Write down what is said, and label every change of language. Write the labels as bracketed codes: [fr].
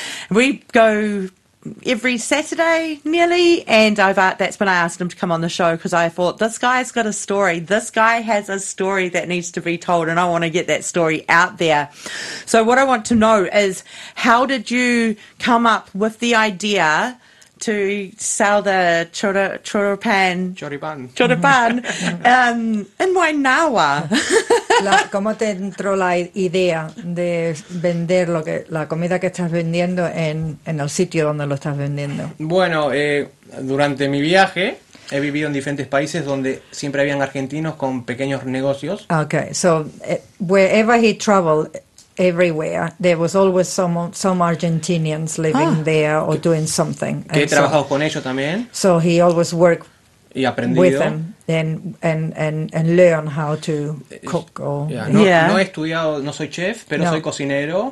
[en] We go every Saturday nearly, and that's when I asked him to come on the show, because I thought, this guy has a story that needs to be told, and I want to get that story out there. So what I want to know is, how did you come up with the idea to sell the choripan in Wainawa? [es] ¿Cómo te entró la idea de vender lo que la comida que estás vendiendo en el sitio donde lo estás vendiendo? Bueno, durante mi viaje he vivido en diferentes países donde siempre habían argentinos con pequeños negocios. [en] Okay, so wherever he traveled, everywhere there was always some Argentinians living there or doing something. [es] Que he trabajado con ellos también. [en] So he always worked [es] y aprendido [en] with them and learn how to cook or [es] No he estudiado, no soy chef, pero soy cocinero.